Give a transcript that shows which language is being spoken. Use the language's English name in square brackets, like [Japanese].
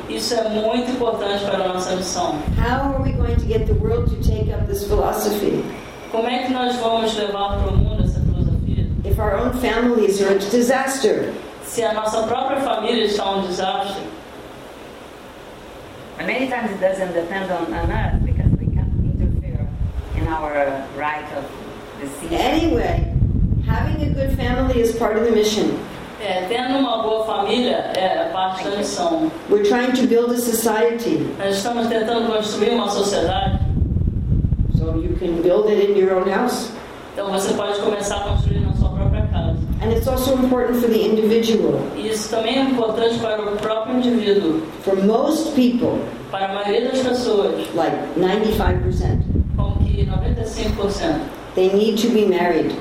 [Portuguese] Isso é muito importante para a nossa missão. [English] How are we going to get the world to take up this philosophy? [Portuguese] Como é que nós vamos levar para o mundo essa filosofia? [English] If our own families are a disaster, [Portuguese] se a nossa própria família está um desastre. [English] Many times it doesn't depend on us because we can't interfere in our right of decision. Anyway, having a good family is part of the mission. [Portuguese] Tendo uma boa família é parte da missão. [English] We're trying to build a society. [Portuguese] Nós estamos tentando construir uma sociedade. [English] So you can build it in your own house. [Portuguese] Então você pode começar a construir na sua própria casa. [English] And it's also important for the individual. [Portuguese] Isso também é importante para o próprio indivíduo. [English] For most people, [Portuguese] para a maioria das pessoas, [English] like 95%, [Portuguese] como que 95%, [English] they need to be married.